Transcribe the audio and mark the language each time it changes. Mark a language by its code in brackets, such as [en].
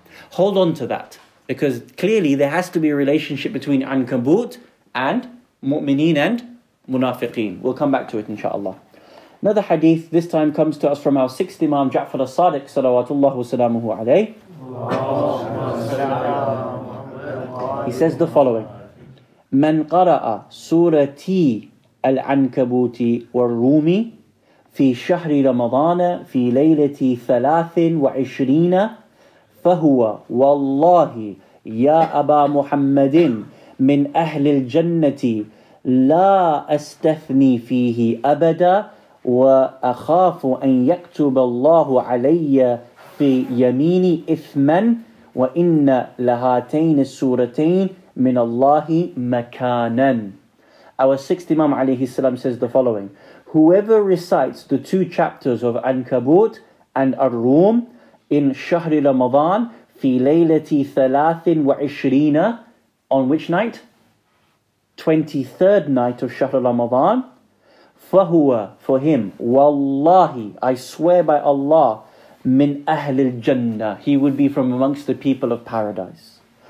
[en] Hold on to that, because clearly there has to be a relationship between Ankabut and Mu'mineen and Munafiqeen. We'll come back to it, inshaAllah. Another hadith, this time comes to us from our sixth Imam, Ja'far al-Sadiq, [ar] salawatullahu salamuhu alayhi. He says the following, من قرأ سورتي العنكبوت والرومي في شهر رمضان في ليلة ثلاث وعشرين فهو والله يا أبا محمد من أهل الجنة لا أستثني فيه أبدا وأخاف أن يكتب الله علي في يميني إثما وإن لهاتين السورتين من الله مكانا. [en] Our sixth Imam alayhi salam says the following: whoever recites the two chapters of Ankabut and Ar-Rum in Shahri Ramadan, [ar] fi laylati thalathin wa ishrina, [en] on which night? 23rd night of Shahri Ramadan. Fahuwa, for him, wallahi, I swear by Allah, [ar] min ahlil jannah, [en] he would be from amongst the people of paradise.